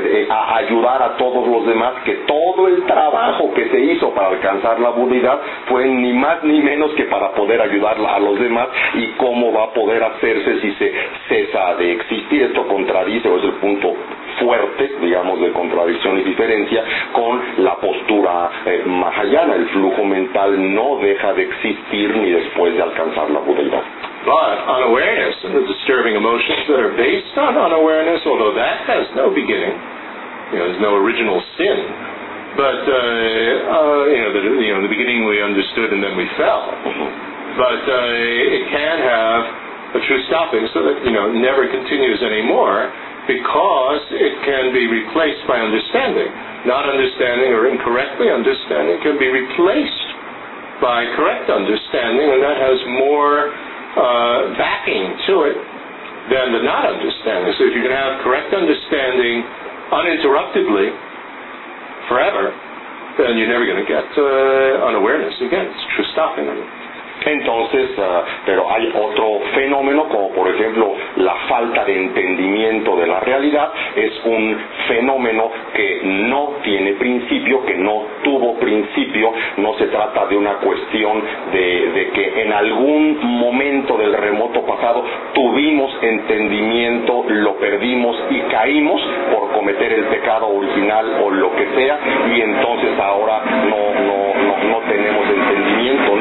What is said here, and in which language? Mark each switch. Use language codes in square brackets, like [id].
[es] a ayudar a todos los demás que todo el trabajo que se hizo para alcanzar la budeidad fue ni más ni menos que para poder ayudar a los demás, y cómo va a poder hacerse si se cesa de existir? Esto contradice, o es el punto fuerte, digamos, de contradicción y diferencia con la postura mahayana. El flujo mental no deja de existir ni después de alcanzar la budeidad. [en] But unawareness and the disturbing emotions that are based on unawareness, although that has no beginning, you know, there's no original sin But in the beginning we understood and then we fell. But it can have a true stopping, so that never continues anymore, because it can be replaced by understanding. Not understanding or incorrectly understanding can be replaced by correct understanding, and that has more backing to it than the not understanding. So if you can have correct understanding uninterruptedly forever, then you're never going to get unawareness again. It's true stopping. [es] Entonces, pero hay otro fenómeno, como por ejemplo la falta de entendimiento de la realidad, es un fenómeno que no tiene principio, que no tuvo principio. No se trata de una cuestión de que en algún momento del remoto pasado tuvimos entendimiento, lo perdimos y caímos por cometer el pecado original o lo que sea, y entonces ahora no tenemos entendimiento.